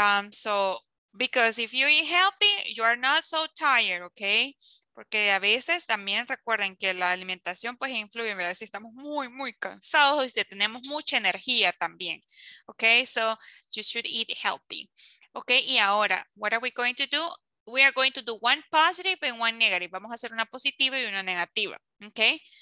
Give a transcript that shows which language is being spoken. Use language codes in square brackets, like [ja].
[en] So, because if you eat healthy, you are not so tired, okay? [es] Porque a veces también recuerden que la alimentación pues influye, ¿verdad? Si estamos muy, muy cansados y tenemos mucha energía también, okay? [en] So, you should eat healthy, okay? [es] Y ahora, [en] what are we going to do? We are going to do one positive and one negative. [es] Vamos a hacer una positiva y una negativa, okay?